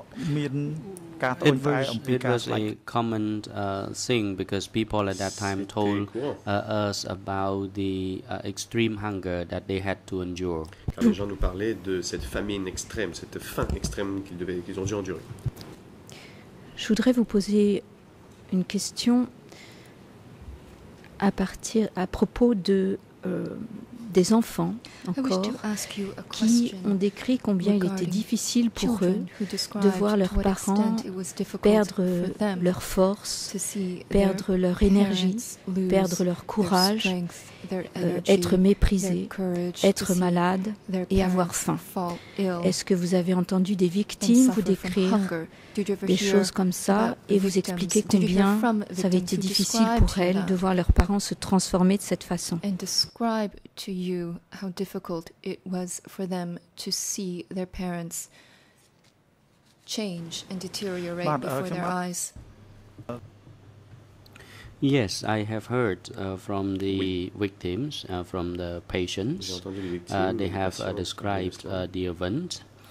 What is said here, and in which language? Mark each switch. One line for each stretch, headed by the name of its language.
English: It was a common thing because people at that time told us about the extreme hunger that they had to endure.
French: Car les gens nous parlaient de cette famine extrême, cette faim extrême qu'ils ont dû endurer. Je voudrais vous poser une question à propos de des enfants encore qui ont décrit combien il était difficile pour eux de voir leurs parents perdre leur force, perdre leur énergie, perdre leur courage, être méprisés, être malades et avoir faim. Est-ce que vous avez entendu des victimes vous décrire des choses comme ça et vous expliquer combien ça avait été difficile pour elles de voir leurs parents se transformer de cette façon?
English: To you, how difficult it was for them to see their parents change and deteriorate before their eyes. Yes, I have heard from the victims, from the patients. They have described the event.